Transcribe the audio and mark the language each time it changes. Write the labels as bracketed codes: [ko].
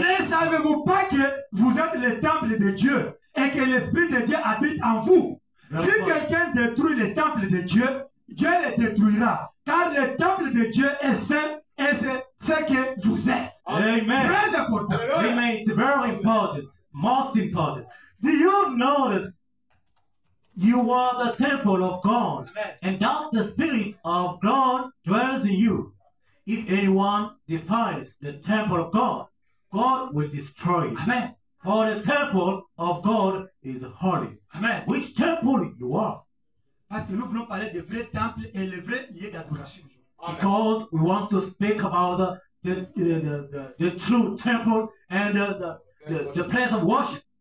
[fr] Ne savez-vous pas que vous êtes le temple de Dieu et que l'Esprit de Dieu habite en vous? Si quelqu'un détruit le temple de Dieu, Dieu le détruira. Car le temple de Dieu est saint et c'est ce que vous êtes. Amen. Très important. [en] Amen. It's very important. Most important. Do you know that you are the temple of God, Amen. And that the Spirit of God dwells in you? If anyone defiles the temple of God, God will destroy it. Amen. For the temple of God is holy. Amen. Which temple you are? [fr] Parce que nous voulons parler des vrais temples et les vrais lieux d'adoration. [en] Because we want to speak about the true temple and the place of worship.